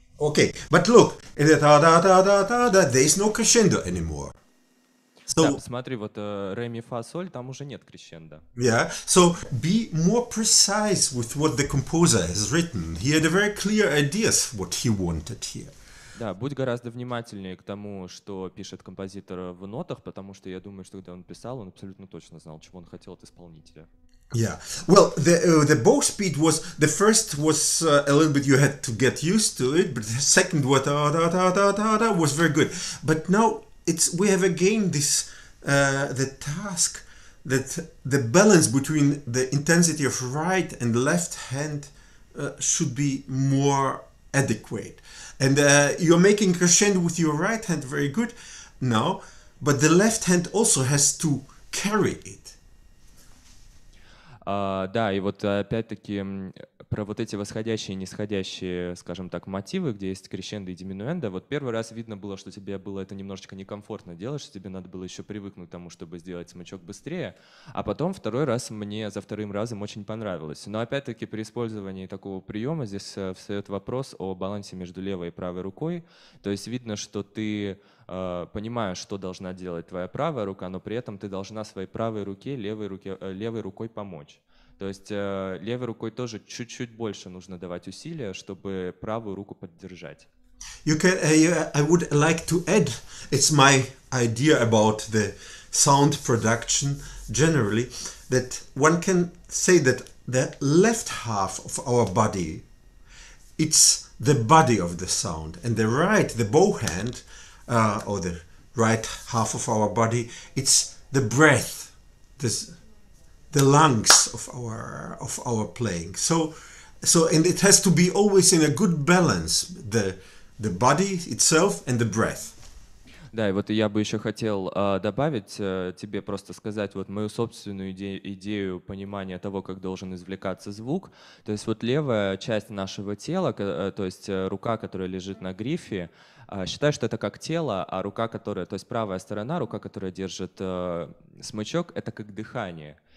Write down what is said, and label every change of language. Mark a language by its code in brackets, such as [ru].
[en] Okay, but look, there is no crescendo anymore. [ru] So, да, смотри, вот ре, ми, фа, соль, там уже нет крещендо. [en] Yeah, so be more precise with what the composer has written. He had a very clear ideas what he wanted here. [ru] Да, будь гораздо внимательнее к тому, что пишет композитор в нотах, потому что я думаю, что когда он писал, он абсолютно точно знал, чего он хотел от исполнителя. [en] Yeah. Well, the bow speed was the first was a little bit you had to get used to it, but the second was da da da da da da was very good. But now we have again this the task that the balance between the intensity of right and left hand should be more adequate. And you're making crescendo with your right hand very good now, but the left hand also has to carry it. [ru] Да, и вот опять-таки про вот эти восходящие и нисходящие, скажем так, мотивы, где есть крещендо и диминуэндо, вот первый раз видно было, что тебе было это немножечко некомфортно делать, что тебе надо было еще привыкнуть к тому, чтобы сделать смычок быстрее, а потом второй раз мне за вторым разом очень понравилось. Но опять-таки при использовании такого приема здесь встает вопрос о балансе между левой и правой рукой, то есть видно, что ты понимаешь, что должна делать твоя правая рука, но при этом ты должна своей правой руке, левой рукой помочь. То есть левой рукой тоже чуть-чуть больше нужно давать усилия, чтобы правую руку поддержать. [en] I would like to add, it's my idea about the sound production generally, that one can say that the left half of our body, it's the body of the sound, and the right, the bow hand, or the right half of our body, it's the breath, the lungs of our playing. So and it has to be always in a good balance, the body itself and the breath. [ru] Да, и вот я бы еще хотел добавить тебе, просто сказать вот мою собственную идею понимания того, как должен извлекаться звук. То есть вот левая часть нашего тела, то есть рука, которая лежит на грифе, считаю, что это как тело, а рука, которая, то есть правая сторона, рука, которая держит смычок, это как дыхание.